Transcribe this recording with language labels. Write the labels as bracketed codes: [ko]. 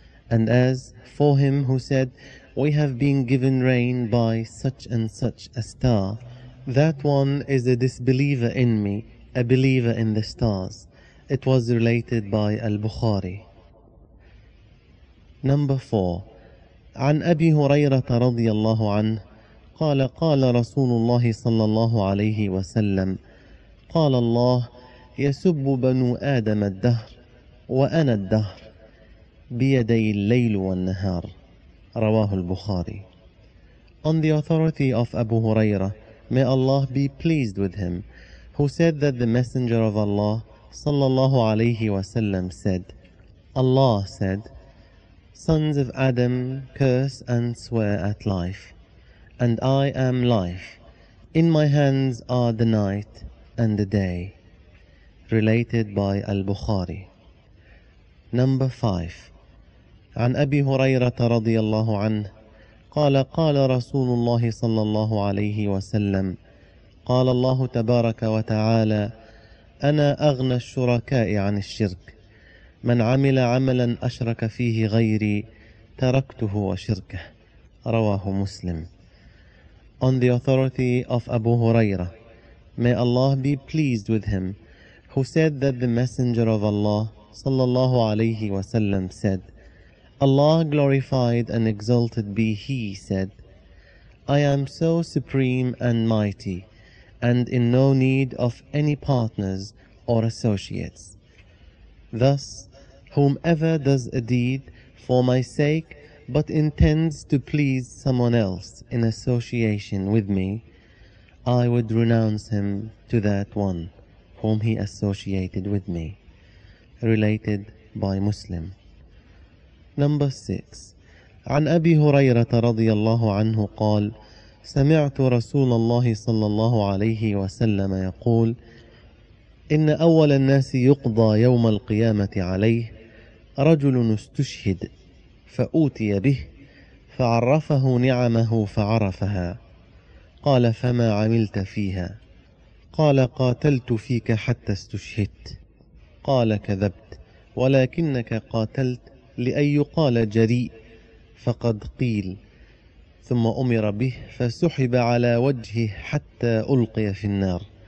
[en] And as for him who said, We have been given rain by such and such a star, that one is a disbeliever in me, a believer in the stars. It was related by Al-Bukhari. Number 4. [ar] عن أبي هريرة رضي الله عنه قال قال رسول الله صلى الله عليه وسلم قال الله يسب بنو آدم الدهر وأنا الدهر بيدي الليل والنهار. رواه البخاري. [en] On the authority of Abu Huraira, may Allah be pleased with him, who said that the Messenger of Allah, sallallahu alayhi wa sallam, said, Allah said, Sons of Adam curse and swear at life, and I am life. In my hands are the night and the day. Related by Al-Bukhari. Number 5. [ar] عن أبي هريرة رضي الله عنه قال قال رسول الله صلى الله عليه وسلم قال الله تبارك وتعالى أنا أغنى الشركاء عن الشرك من عمل عملا أشرك فيه غيري تركته وشركه. رواه مسلم. [en] On the authority of Abu Huraira, may Allah be pleased with him, who said that the Messenger of Allah [ar] صلى الله عليه وسلم [en] said, Allah glorified and exalted be He said, I am so supreme and mighty, and in no need of any partners or associates. Thus, whomever does a deed for my sake, but intends to please someone else in association with me, I would renounce him to that one whom he associated with me. Related by Muslim. Number 6. [ar] عن أبي هريرة رضي الله عنه قال سمعت رسول الله صلى الله عليه وسلم يقول إن أول الناس يقضى يوم القيامة عليه رجل استشهد فأوتي به فعرفه نعمه فعرفها قال فما عملت فيها قال قاتلت فيك حتى استشهدت قال كذبت ولكنك قاتلت لأن يقال جريء فقد قيل ثم أمر به فسحب على وجهه حتى ألقي في النار